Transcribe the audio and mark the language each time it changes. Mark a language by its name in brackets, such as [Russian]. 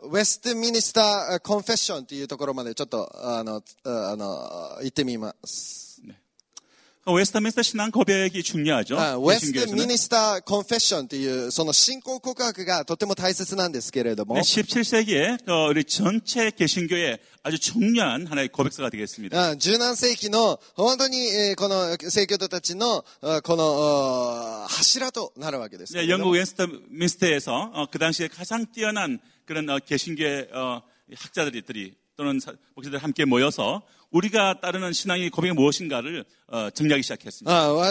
[Japanese] 웨스트민스터 컨페션 っていうところまでちょっと行ってみます. [Korean] 웨스트민스터 신앙 고백이 중요하죠. [Japanese] 웨스트민스터 컨페션 っていうその [Korean] 신앙 고백이 [Japanese] とても 大切なんですけれども. [Korean] 17세기에 우리 전체 개신교의 아주 중요한 하나의 고백서가 되겠습니다. [Japanese] 17세기의 本当に この 聖教徒たちの この 柱と なるわけです. [Korean] 네, 영국 웨스트민스터에서 그 당시에 가장 뛰어난 그런 개신교의 학자들이 또는 목사들 함께 모여서 우리가 따르는 신앙의 고백이 무엇인가를 정리하기 시작했습니다.